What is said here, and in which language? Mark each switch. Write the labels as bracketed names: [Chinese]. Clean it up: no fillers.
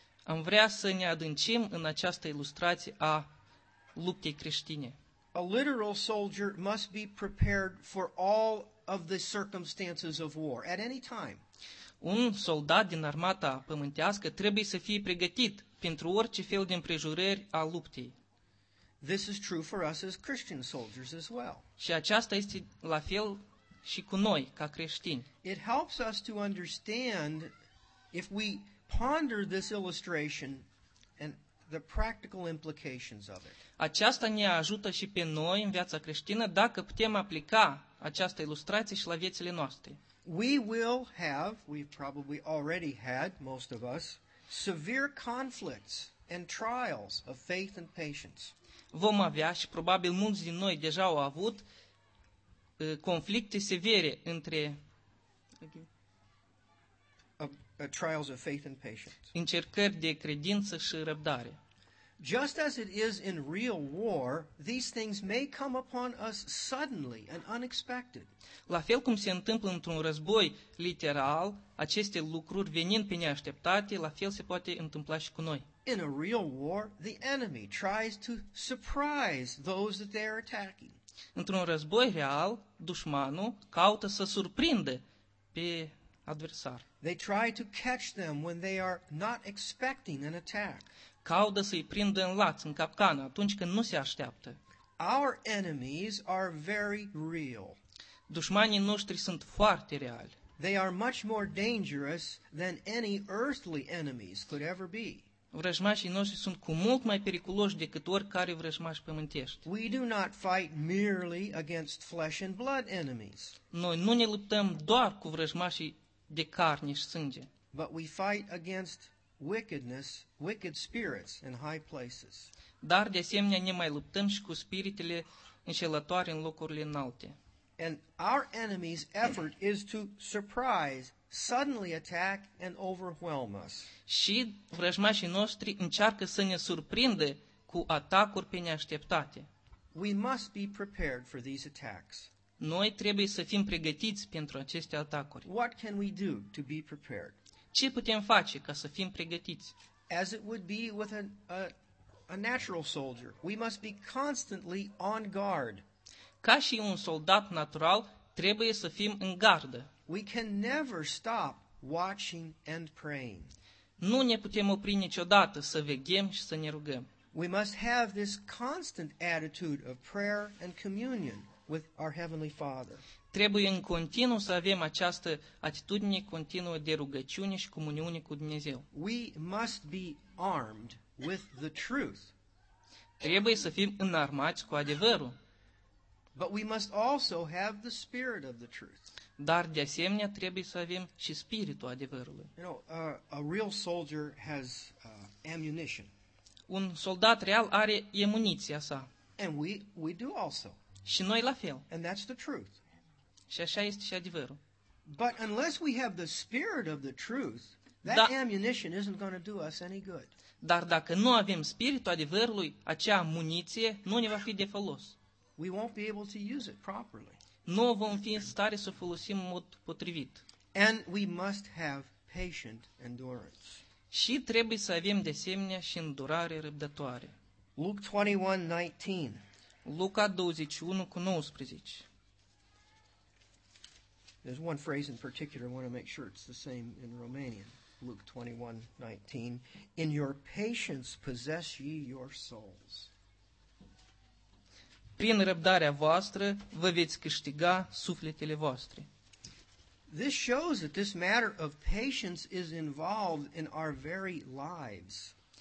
[Romanian] Am vrea să ne adâncim în această ilustrație a luptei creștine. [English] A literal soldier must be prepared for all of the circumstances of war at any time. [Romanian] Un soldat din armata pământească trebuie să fie pregătit pentru orice fel de împrejurări a luptei. [English] This is true for us as Christian soldiers as well. [Romanian] Și aceasta este la fel și cu noi ca creștini. [English] It helps us to understand if we ponder this illustration and the practical implications of it. [Romanian] Aceasta ne ajută și pe noi în viața creștină dacă putem aplica această ilustrație și la viețile noastre. [English] We will have, we've probably already had, most of us, severe conflicts and trials of faith and patience. [Romanian] Vom avea și probabil mulți din noi deja au avut conflicte severe între [English] trials of faith and patience. [Romanian] Încercări de credință și răbdare. [English] Just as it is in real war, these things may come upon us suddenly and unexpected. [Romanian] La fel cum se întâmplă într-un război literal, aceste lucruri venind pe neașteptate, la fel se poate întâmpla și cu noi. [English] In a real war, the enemy tries to surprise those that they are attacking. [Romanian] Într-un război real, dușmanul caută să surprindă pe adversar. [English] They try to catch them when they are not expecting an attack. [Romanian] Caută să-i prindă în laț, în capcană, atunci când nu se așteaptă. [English] Our enemies are very real. [Romanian] Dușmanii noștri sunt foarte reali. [English] They are much more dangerous than any earthly enemies could ever be. [Romanian] Vrăjmașii noștri sunt cu mult mai periculoși decât oricare vrăjmaș pământești. [English] We do not fight merely against flesh and blood enemies. [Romanian] Noi nu ne luptăm doar cu vrăjmașii de carne și sânge. [English] But we fight against wickedness, wicked spirits in high places. [Romanian] Dar de asemenea ne mai luptăm și cu spiritele înșelătoare în locurile înalte. [English] And our enemy's effort is to surprise, suddenly attack and overwhelm us. [Romanian] Și vrăjmașii noștri încearcă să ne surprindă cu atacuri pe neașteptate. [English] We must be prepared for these attacks. [Romanian] Noi trebuie să fim pregătiți pentru aceste atacuri. [English] What can we do to be prepared? [Romanian] Ce putem face ca să fim pregătiți? [English] As it would be with a natural soldier, we must be constantly on guard. [Romanian] Ca și un soldat natural, trebuie să fim în gardă. [English] We can never stop watching and praying. [Romanian] Nu ne putem opri niciodată să veghem și să ne rugăm. [English] We must have this constant attitude of prayer and communion with our Heavenly Father. [Romanian] Trebuie în continuu să avem această atitudine continuă de rugăciune și comuniune cu Dumnezeu. [English] We must be armed with the truth. [Romanian] Trebuie să fim înarmați cu adevărul. [English] But we must also have the spirit of the truth. [Romanian] Dar de asemenea trebuie să avem și spiritul adevărului. [English] You know, a real soldier has ammunition. [Romanian] Un soldat real are amuniția sa. [English] And we do also. [Romanian] Și noi la fel. [English] And that's the truth. [Romanian] Și așa este și adevărul. [English] But unless we have the spirit of the truth, that ammunition isn't going to do us any good. [Romanian] Dar dacă nu avem spiritul adevărului, acea amuniție nu ne va fi de folos. [English] We won't be able to use it properly. [Romanian] Nu vom fi în stare să folosim în mod potrivit. [English] And we must have patient endurance. [Romanian] Și trebuie să avem de asemenea și îndurare răbdătoare. [English] Luke 21:19. [Romanian] Luca 21:19. [English] There's one phrase in particular I want to make sure it's the same in Romanian. Luke 21:19. In your patience possess ye your souls. [Romanian] Prin răbdarea voastră vă veți câștiga sufletele voastre. [English] This shows that this matter of patience is involved in our very lives.